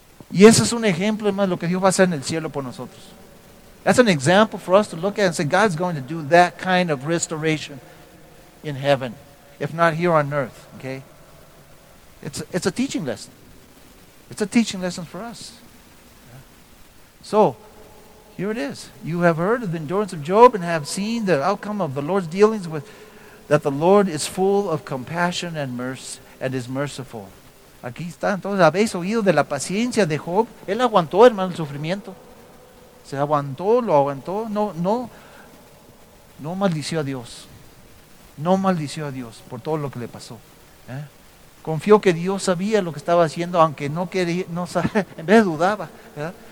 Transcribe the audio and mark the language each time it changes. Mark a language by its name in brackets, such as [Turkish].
[Spanish] Y ese es un ejemplo, hermano, de lo que Dios va a hacer en el cielo por nosotros. [English] That's an example for us to look at and say, God's going to do that kind of restoration in heaven, if not here on earth. Okay? It's a teaching lesson. It's a teaching lesson for us. Yeah. So, here it is. You have heard of the endurance of Job and have seen the outcome of the Lord's dealings with that the Lord is full of compassion and mercy and is merciful. [Spanish] Aquí está. Entonces, habéis oído de la paciencia de Job. Él aguantó, hermano, el sufrimiento. Se aguantó, lo aguantó. No maldició a Dios. No maldició a Dios por todo lo que le pasó. ¿Eh? Confió que Dios sabía lo que estaba haciendo, aunque no quería, no sabía, en vez dudaba. ¿Verdad?